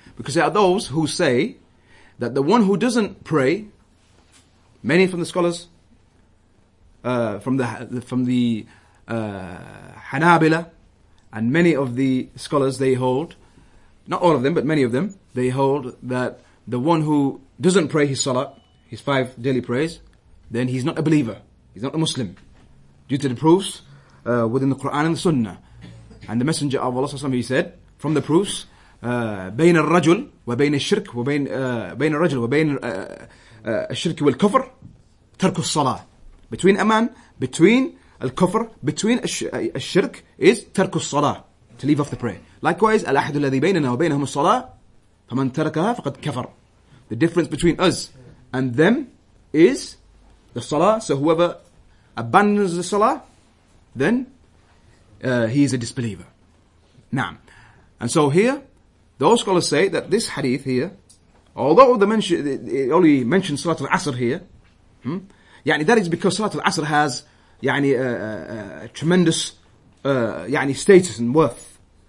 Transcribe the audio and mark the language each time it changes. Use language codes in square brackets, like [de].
[en] Because there are those who say that the one who doesn't pray, many from the scholars, from the Hanabila, and many of the scholars, they hold, not all of them, but many of them, they hold that the one who doesn't pray his salah, his five daily prayers, then he's not a believer, he's not a Muslim, due to the proofs within the Quran and the Sunnah. And the Messenger of Allah, he said, from the proofs, [ar] بين الرجل وبين الشرك وبين بين الرجل وبين الشرك والكفر ترك الصلاة. [en] Between a man, between الكفر, between الشرك is ترك الصلاة, to leave off the prayer. [ar] Likewise, الأحد الذي بيننا وبينهم الصلاة فمن تركها فقد كفر. [en] The difference between us and them is the صلاة. So whoever abandons the صلاة, then he is a disbeliever. نعم. And so here, those scholars say that this hadith here, although the mention, it only mentions Salat al-Asr here, يعني that is because Salat al-Asr has يعني a tremendous يعني status and worth.